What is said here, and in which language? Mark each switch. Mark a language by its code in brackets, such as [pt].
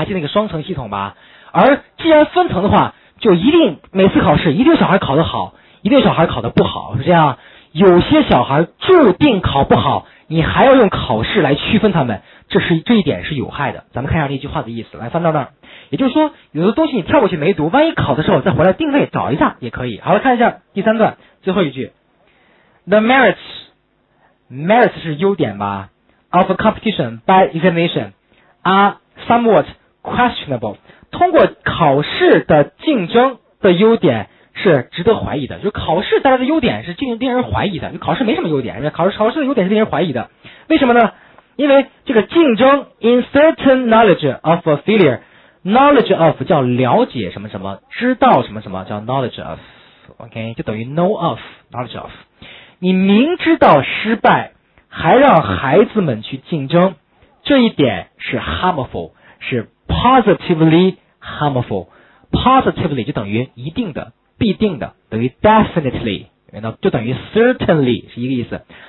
[zh] 还记得那个双层系统吧？而既然分层的话，就一定每次考试一定小孩考得好，一定小孩考得不好，是这样。有些小孩注定考不好，你还要用考试来区分他们，这一点是有害的。咱们看一下那句话的意思，来翻到那儿。也就是说，有的东西你跳过去没读，万一考的时候再回来定位找一下也可以。好了，看一下第三段最后一句 [en] ，The merits [zh] 是优点吧 [en] ？Of a competition by examination are somewhat questionable。 [zh] 通过考试的竞争的优点是值得怀疑的，就是考试带来的优点是令人怀疑的。考试没什么优点，考试的优点是令人怀疑的。为什么呢？因为这个竞争 [en] ，in certain knowledge of a failure。 [zh] Knowledge of 叫了解什么什么，知道什么什么叫 knowledge of， OK， 就等于 know of， knowledge of。你明知道失败还让孩子们去竞争，这一点是 harmful， 是 [en] positively harmful。 [zh] positively 就等于一定的，必定的，等于 definitely， 就等于 certainly， 是一个意思。